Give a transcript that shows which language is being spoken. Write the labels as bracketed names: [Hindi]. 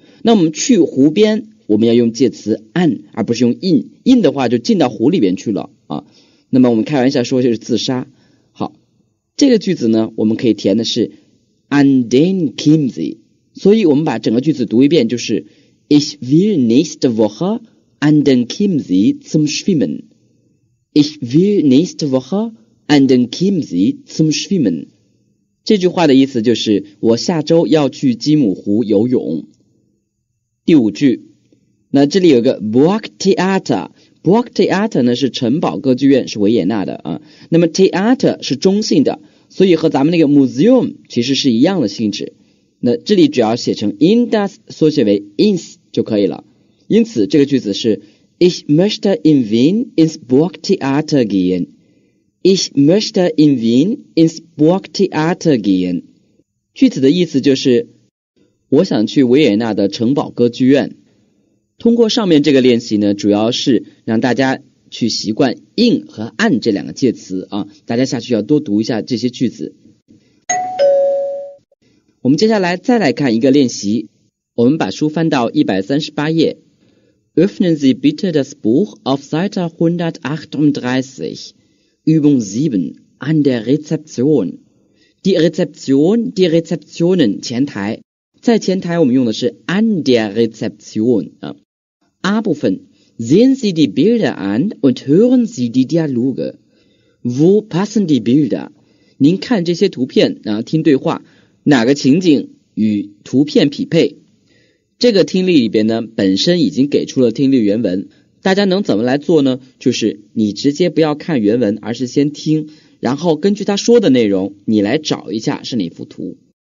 [Chinese] 那我们去湖边，我们要用介词 an 而不是用 in， in 的话就进到湖里边去了啊。那么我们开玩笑说就是自杀。好，这个句子呢我们可以填的是An den Kimsey， 所以我们把整个句子读一遍，就是 [German] Ich will nächste Woche an den Kimsey zum Schwimmen. Ich will nächste Woche an den Kimsey zum Schwimmen. [Chinese] 这句话的意思就是我下周要去基姆湖游泳。第五句，那这里有个 Burg Theater， Burg Theater 呢是城堡歌剧院，是维也纳的啊。那么 Theater 是中性的，所以和咱们那个 museum 其实是一样的性质，那这里只要写成 in das 缩写为 ins 就可以了。因此这个句子是 [German] Ich möchte in Wien ins Burg Theater gehen. Ich möchte in Wien ins Burg Theater gehen. [Chinese] 句子的意思就是我想去维也纳的城堡歌剧院。通过上面这个练习呢，主要是让大家去习惯 in 和 an 这两个介词啊，大家下去要多读一下这些句子。我们接下来再来看一个练习，我们把书翻到138页。 [German] Öffnen Sie bitte das Buch auf Seite 138, Übung 7, an der Rezeption. Die Rezeption, die Rezeptionen, [Chinese] 前台。在前台我们用的是 an der Rezeption 啊。 A 部分。 [German] Sehen Sie die Bilder an und hören Sie die Dialoge. Wo passen die Bilder? [Chinese] 您看这些图片，然后听对话，哪个情景与图片匹配？这个听力里边呢，本身已经给出了听力原文，大家能怎么来做呢？就是你直接不要看原文，而是先听，然后根据他说的内容，你来找一下是哪幅图。